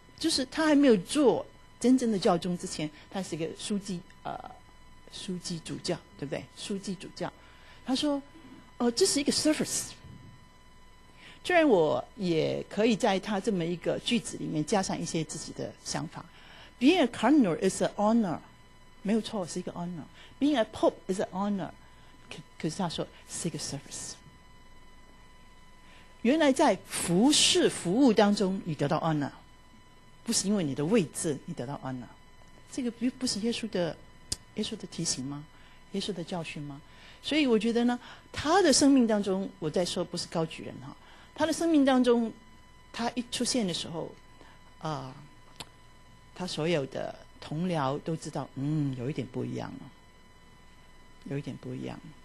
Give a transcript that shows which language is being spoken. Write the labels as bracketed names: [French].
[Chinese] 就是他还没有做真正的教宗之前，他是一个枢机主教，对不对？枢机主教，他说这是一个 service。虽然我也可以在他这么一个句子里面加上一些自己的想法， [English] Being a cardinal is an honor， [Chinese] 没有错，是一个 honor。 [English] Being a pope is an honor， [Chinese] 可是他说是一个 service。原来在服侍服务当中你得到 honor， 不是因为你的位置你得到 honor， 这个不是耶稣的耶稣的提醒吗？耶稣的教训吗？所以我觉得呢，他的生命当中，我在说不是高举人哈，他的生命当中，他一出现的时候，他所有的同僚都知道，有一点不一样了，有一点不一样。